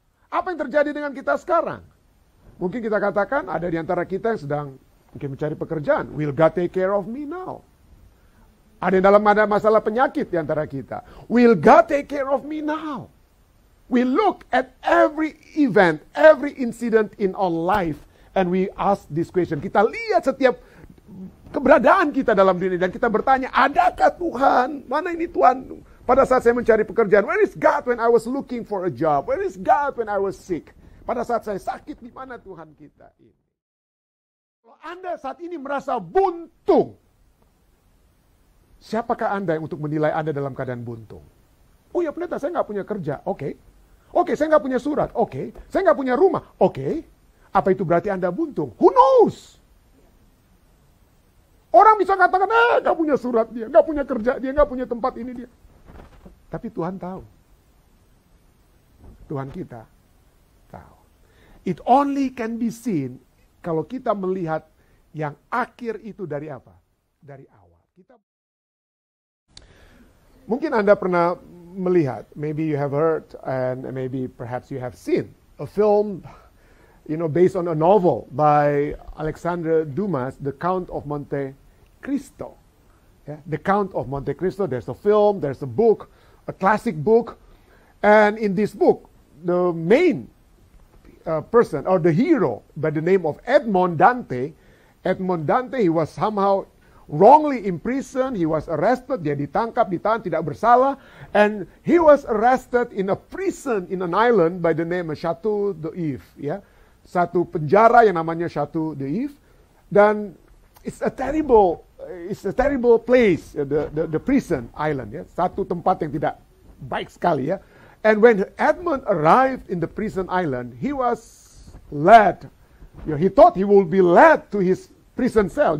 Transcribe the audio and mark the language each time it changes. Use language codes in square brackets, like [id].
[id] Apa yang terjadi dengan kita sekarang? Mungkin kita katakan ada di antara kita yang sedang mungkin mencari pekerjaan. [en] Will God take care of me now? [id] Ada yang dalam ada masalah penyakit di antara kita. [en] Will God take care of me now? We look at every event, every incident in our life, and we ask this question. [id] Kita lihat setiap keberadaan kita dalam dunia, dan kita bertanya, adakah Tuhan? Mana ini Tuhan? Pada saat saya mencari pekerjaan, [en] where is God when I was looking for a job? Where is God when I was sick? [id] Pada saat saya sakit, di mana Tuhan kita? Kalau Anda saat ini merasa buntung, siapakah Anda yang untuk menilai Anda dalam keadaan buntung? Oh ya pendeta, saya nggak punya kerja. Oke, saya nggak punya surat. Oke, saya nggak punya rumah. Oke, apa itu berarti Anda buntung? [en] Who knows? [id] Orang bisa katakan, nggak punya surat dia, nggak punya kerja dia, nggak punya tempat ini dia. Tapi Tuhan tahu. Tuhan kita tahu. [en] It only can be seen [id] kalau kita melihat yang akhir itu dari apa? Dari awal. Kita... Mungkin Anda pernah melihat, [en] maybe you have heard and maybe perhaps you have seen a film, you know, based on a novel by Alexandre Dumas, The Count of Monte Cristo. Yeah? The Count of Monte Cristo, there's a film, there's a book, a classic book, and in this book, the main person or the hero by the name of Edmond Dantès, he was somehow wrongly imprisoned, he was arrested, [id] dia ditangkap, ditahan, tidak bersalah, [en] and he was arrested in a prison in an island by the name of Chateau d'If, yeah? [id] Satu penjara yang namanya Chateau d'If, dan [en] it's a terrible place, the prison island, yeah? [id] Satu tempat yang tidak baik sekali, yeah? [en] And when Edmond arrived in the prison island, he was led, you know, he thought he would be led to his prison cell.